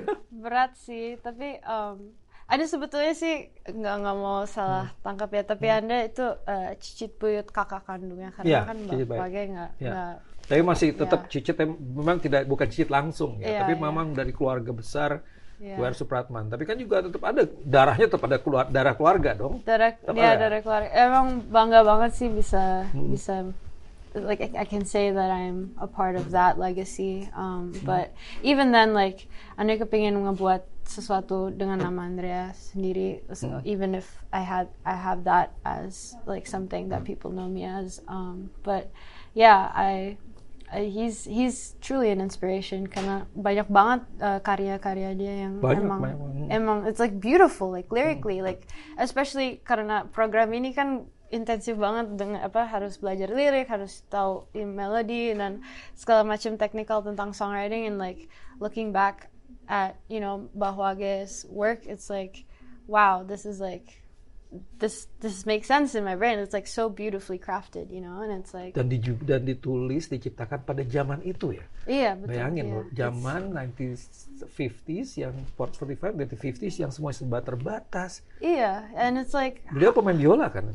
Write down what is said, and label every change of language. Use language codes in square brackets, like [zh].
[id] Berat sih, tapi ada sebetulnya sih, nggak mau salah tangkap ya, tapi Anda itu Cicit Buyut kakak kandungnya, karena kan bapaknya Tapi masih tetap Cicit, memang bukan Cicit langsung ya, tapi memang dari keluarga besar W.R. Supratman. Tapi kan juga tetap ada, darahnya tetap ada darah keluarga dong. Darah keluarga, emang bangga banget sih bisa, bisa. [en] Like I can say that I'm a part of that legacy, but even then, like, [id] anda kepingin ngebuat sesuatu dengan nama Andrea sendiri. [en] So even if I have that as like something that people know me as, but yeah, he's truly an inspiration [id] karena banyak banget karya-karya dia yang emang [en] it's like beautiful, like lyrically, like especially [id] karena program ini kan intensif banget dengan apa, harus belajar lirik, harus tahu melody dan segala macam technical tentang songwriting, [en] and like looking back at, you know, Bahwage's work, it's like, wow, this is like, this makes sense in my brain. It's like so beautifully crafted, you know, and it's like, [id] dan ditulis, diciptakan pada zaman itu ya. Iya, betul. Bayangin loh, zaman 1950s yang 1950s yang semua serba terbatas. [en] Iya, and it's like, [id] beliau pemain biola kan?